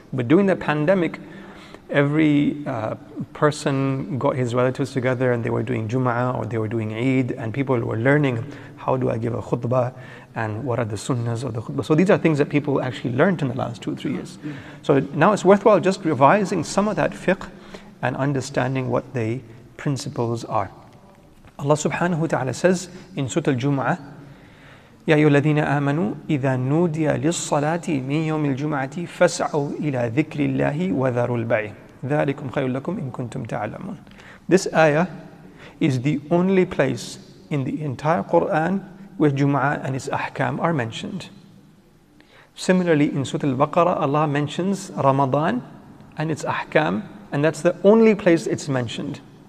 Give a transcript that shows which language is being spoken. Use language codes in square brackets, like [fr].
[en] But during the pandemic, every person got his relatives together and they were doing Jum'ah or they were doing Eid, and people were learning, how do I give a khutbah and what are the sunnahs of the khutbah. So these are things that people actually learned in the last 2 or 3 years. So now it's worthwhile just revising some of that fiqh and understanding what the principles are. Allah subhanahu wa ta'ala says in Surah Al-Jum'ah, [ar] يَا أَيُّهَا الَّذِينَ آمَنُوا إِذَا نُودِيَ لِلصَّلَاةِ مِنْ يَوْمِ الْجُمْعَةِ فَاسْعَوْا إِلَى ذِكْرِ اللَّهِ وَذَرُوا الْبَعِيْ ذَلِكُمْ خَيْرٌ لَكُمْ إِن كُنْتُمْ تَعْلَمُونَ. [en] This ayah is the only place in the entire Qur'an where Jum'ah and its ahkam are mentioned. Similarly, in Surah Al-Baqarah, Allah mentions Ramadan and its ahkam, and that's the only place it's mentioned.